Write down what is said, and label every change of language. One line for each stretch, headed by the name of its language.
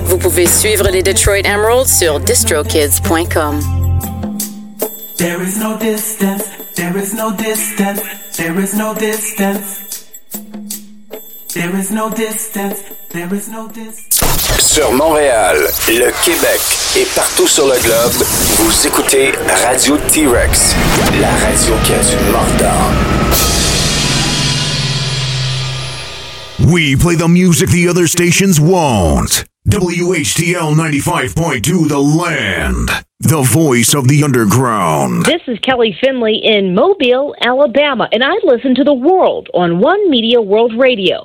French: Vous pouvez suivre les Detroit Emeralds sur distrokids.com.
English: There is no distance, there is no distance, there is no distance. There is no distance, there is no distance.
French: Sur Montréal, le Québec et partout sur le globe, vous écoutez Radio T-Rex, la radio qui a du mordant.
English: We play the music the other stations won't. WHTL 95.2 The Land, the voice of the underground. This is Kelly Finley in Mobile, Alabama, and I listen to the world on One Media World Radio.